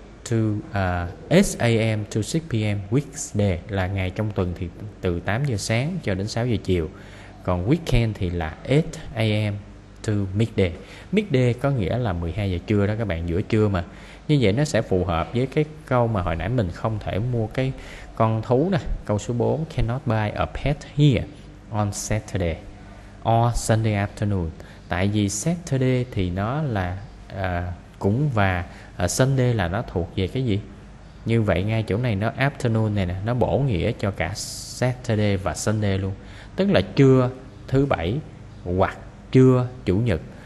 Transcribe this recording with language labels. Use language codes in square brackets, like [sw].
[en] to 8 a.m. to 6 p.m. weekday, [vi] là ngày trong tuần thì từ 8 giờ sáng cho đến 6 giờ chiều. Còn weekend thì là [en] 8 a.m. to midday. [vi] Midday có nghĩa là 12 giờ trưa đó các bạn, giữa trưa mà. Như vậy nó sẽ phù hợp với cái câu mà hồi nãy mình không thể mua cái con thú nè. Câu số 4, [en] cannot buy a pet here on Saturday or Sunday afternoon. [vi] Tại vì Saturday thì nó là cũng và Sunday là nó thuộc về cái gì? Như vậy ngay chỗ này nó afternoon này nè, nó bổ nghĩa cho cả Saturday và Sunday luôn. Tức là trưa thứ bảy hoặc trưa chủ nhật.